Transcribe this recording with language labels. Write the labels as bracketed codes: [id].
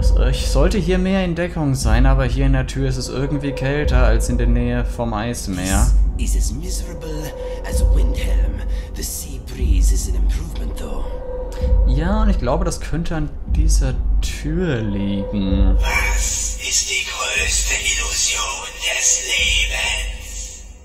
[de] Ich sollte hier mehr in Deckung sein, aber hier in der Tür ist es irgendwie kälter als in der Nähe vom Eismeer. [en] This is as miserable as Windhelm. The sea breeze is an improvement though. [de] Ja, und ich glaube, das könnte an dieser Tür liegen. Was ist die größte Illusion des Lebens?